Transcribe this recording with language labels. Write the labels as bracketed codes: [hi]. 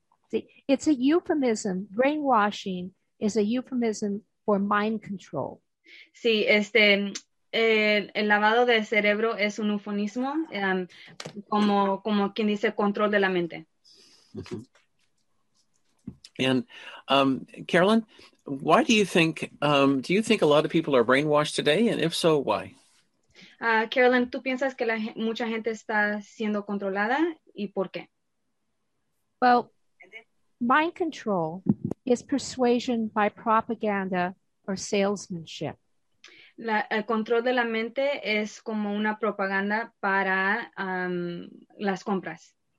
[en] See, it's a euphemism. Brainwashing is a euphemism for mind control. [es] Sí, el lavado de cerebro es un eufemismo, como quien dice control de la mente. Mm-hmm. [en] And Carolyn, why do you think a lot of people are brainwashed today? And if so, why? [es] Carolyn, ¿tú piensas que mucha gente está siendo controlada y por qué? [en] Well, mind control is persuasion by propaganda or salesmanship. [es] El control de la mente es como una propaganda para las compras.